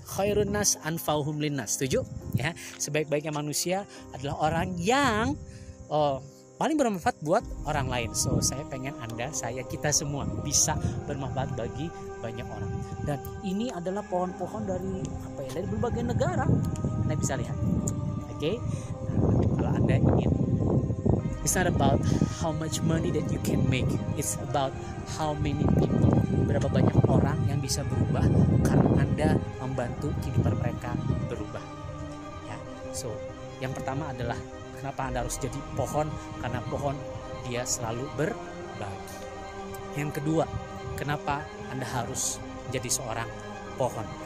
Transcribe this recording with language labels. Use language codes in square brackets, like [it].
[ar] Khairun nas anfa'uhum linnas. [id] Setuju? Ya, sebaik-baiknya manusia adalah orang yang paling bermanfaat buat orang lain. So, saya pengen Anda, saya, kita semua bisa bermanfaat bagi banyak orang. Dan ini adalah pohon-pohon dari berbagai negara. Anda bisa lihat. Oke. Okay? Nah, kalau Anda ingin, [en] it's not about how much money that you can make. It's about how many people, [id] berapa banyak orang yang bisa berubah karena Anda membantu kehidupan mereka berubah. Ya. So, yang pertama adalah kenapa Anda harus jadi pohon? Karena pohon dia selalu berbagi. Yang kedua, kenapa Anda harus jadi seorang pohon?